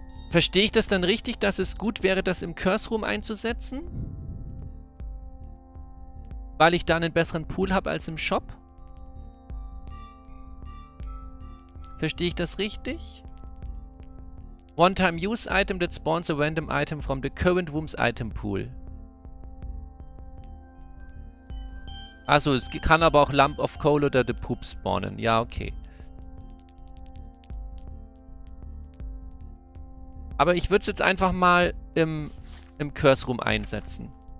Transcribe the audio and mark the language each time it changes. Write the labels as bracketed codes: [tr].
[de] Verstehe ich das dann richtig, dass es gut wäre, das im Curse Room einzusetzen? Weil ich da einen besseren Pool habe als im Shop? Verstehe ich das richtig? [en] One-time-use-item that spawns a random item from the current room's item pool. [de] Achso, es kann aber auch Lump of Coal oder The Poop spawnen. Ja, okay. Aber ich würde es jetzt einfach mal im Curse Room einsetzen.